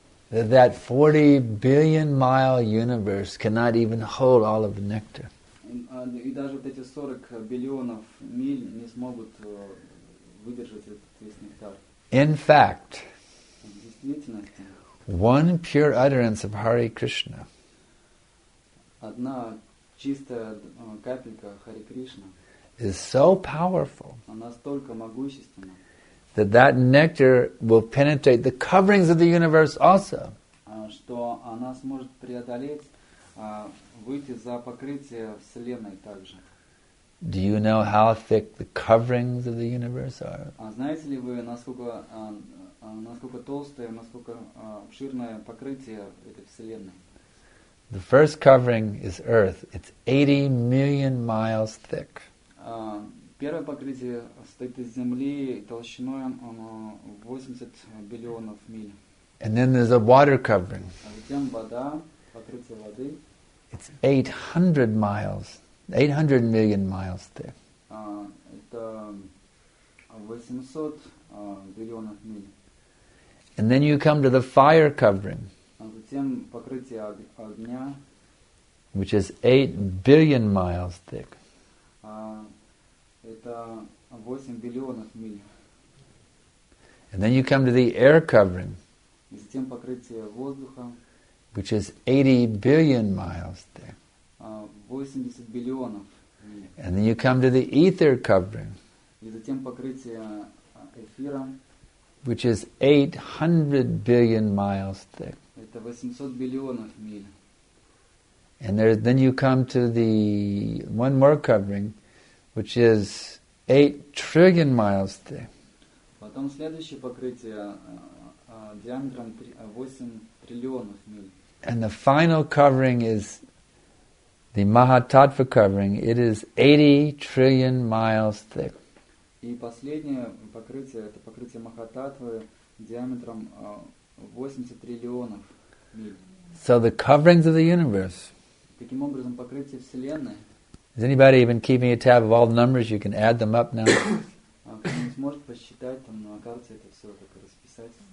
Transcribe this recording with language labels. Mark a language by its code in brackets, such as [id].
[en] That 40 billion mile universe cannot even hold all of the nectar. [ru] И даже вот эти 40 миллионов миль не смогут выдержать этот весь нектар. [en] In fact. [ru] В действительности. [en] One pure utterance of Hare Krishna. [ru] Одна чистая капелька Хари Кришна. [en] Is so powerful. [ru] Она столько могущественна. [en] That nectar will penetrate the coverings of the universe also. [ru] Что она сможет преодолеть, выйти за покрытие вселенной также. [en] Do you know how thick the coverings of the universe are? [ru] А знаете ли вы, насколько насколько толстое, насколько обширное покрытие этой вселенной? [en] The first covering is Earth. It's 80 million miles thick. [ru] Первое покрытие состоит из Земли толщиной 80 миллионов миль. [en] And then there's a water covering. [ru] А затем вода, покрытие воды. [en] It's 800 miles, 800 million miles thick. [ru] Это 800 миллионов миль. [en] And then you come to the fire covering, [ru] затем покрытие огня, [en] which is 8 billion miles thick. [ru] Это 8 миллионов миль. [en] And then you come to the air covering, [ru] и затем покрытие воздуха, [en] which is 80 billion miles thick. [ru] 80 миллионов миль. [en] And then you come to the ether covering, [ru] и затем покрытие эфиром, [en] which is 800 billion miles thick. [ru] Это 800 миллионов миль. [en] And then you come to the one more covering, which is 8 trillion miles thick. [ru] Потом следующее покрытие диаметром 8 триллионов миль. [en] And the final covering is the Mahatattva covering. It is 80 trillion miles thick. [ru] И последнее покрытие это покрытие Махататвы диаметром 80 триллионов миль. [en] So the coverings of the universe. [ru] Таким образом покрытие вселенной. [en] Is anybody even keeping a tab of all the numbers? You can add them up now. [ru] Может посчитать там на карте это все так расписать.